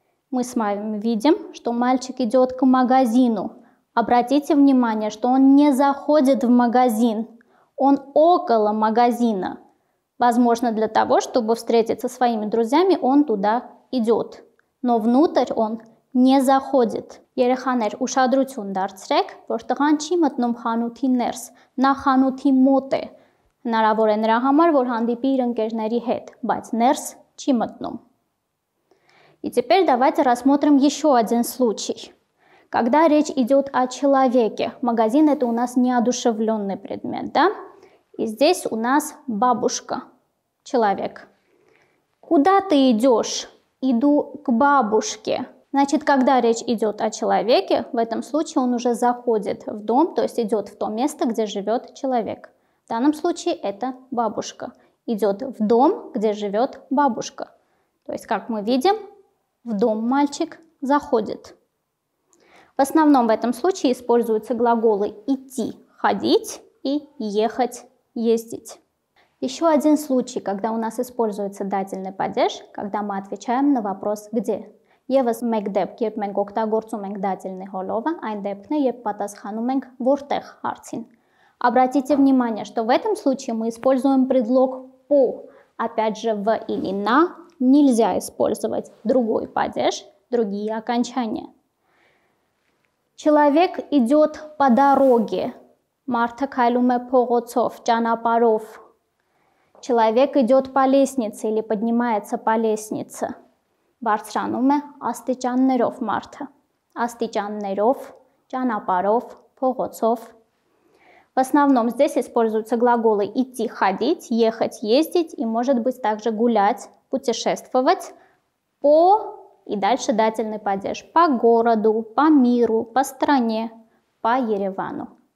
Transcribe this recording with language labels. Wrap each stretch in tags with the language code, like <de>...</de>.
<ru>Мы с вами видим, что мальчик идет к магазину, Обратите внимание, что он не заходит в магазин, он около магазина. Возможно, для того, чтобы встретиться со своими друзьями, он туда идет. Но внутрь он не заходит.</ru> <hy>Երեխաներ, ուշադրություն դարձրեք, որ տղան չի մտնում խանութի ներս, նա խանութի մոտ է։ Հնարավոր է նրա համար, որ հանդիպի իր ընկերների հետ, բայց ներս չի մտնում։</hy> <ru>И теперь давайте рассмотрим еще один случай. Когда речь идет о человеке, магазин – это у нас неодушевленный предмет, да? И здесь у нас бабушка, человек. Куда ты идешь? Иду к бабушке. Значит, когда речь идет о человеке, в этом случае он уже заходит в дом, то есть идет в то место, где живет человек. В данном случае это бабушка. Идет в дом, где живет бабушка. То есть, как мы видим, в дом мальчик заходит. В основном в этом случае используются глаголы «идти» – «ходить» и «ехать» – «ездить». Еще один случай, когда у нас используется дательный падеж, когда мы отвечаем на вопрос «где?».</ru> <hy>Եվս մեկ դեպք, երբ մենք օգտագործում ենք դատելնի հոլովը, այն դեպքն է, երբ պատասխանում ենք «որտեղ» հարցին.</hy> <ru>Обратите внимание, что в этом случае мы используем предлог «по». Опять же, «в» или «на» нельзя использовать другой падеж, другие окончания. Человек идет по дороге.</ru> <hy>Մարդը քայլում է փողոցով, ճանապարհով.</hy> <ru>Человек идет по лестнице или поднимается по лестнице.</ru> <hy>Բարձրանում է աստիճաններով մարդը, աստիճաններով, ճանապարով, փողոցով.</hy> <ru>В основном здесь используются глаголы «идти» – «ходить», «ехать» – «ездить» и, может быть, также «гулять», «путешествовать» по и дальше дательный падеж – по городу, по миру, по стране, по Еревану.</ru>